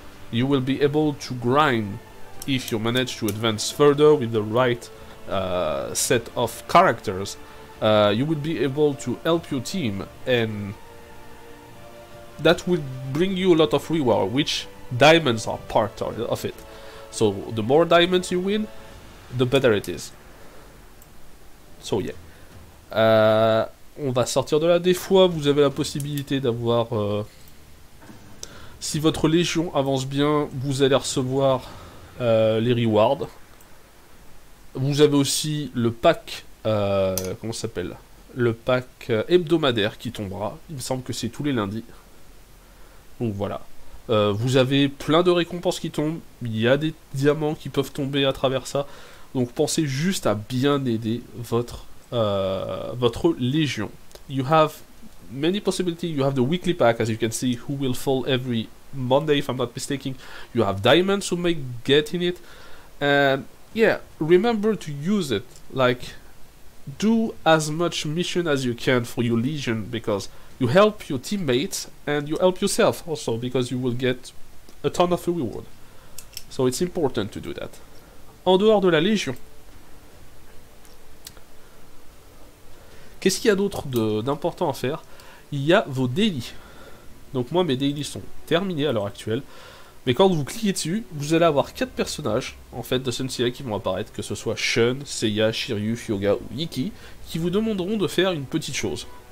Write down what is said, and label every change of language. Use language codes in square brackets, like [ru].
[en] You will be able to grind if you manage to advance further with the right set of characters, you will be able to help your team, and that will bring you a lot of reward, which diamonds are part of it. So the more diamonds you win, the better it is. So yeah, [fr] on va sortir de là. Des fois, vous avez la possibilité d'avoir, si votre légion avance bien, vous allez recevoir les rewards. Vous avez aussi le pack, comment ça s'appelle, le pack hebdomadaire qui tombera. Il me semble que c'est tous les lundis. Donc voilà. Vous avez plein de récompenses qui tombent. Il y a des diamants qui peuvent tomber à travers ça. Donc pensez juste à bien aider votre légion. [en] You have many possibilities. You have the weekly pack, as you can see, who will fall every Monday, if I'm not mistaken. You have diamonds who may get in it. And yeah, remember to use it. Like, do as much mission as you can for your legion because you help your teammates and you help yourself also because you will get a ton of reward. So it's important to do that. [fr] En dehors de la légion, qu'est-ce qu'il y a d'autre d'important à faire? Il y a vos daily. Donc moi, mes daily sont terminés à l'heure actuelle. Mais quand vous cliquez dessus, vous allez avoir 4 personnages en fait de Sensei qui vont apparaître, que ce soit Shun, Seiya, Shiryu, Hyuga ou Ikki, qui vous demanderont de faire une petite chose.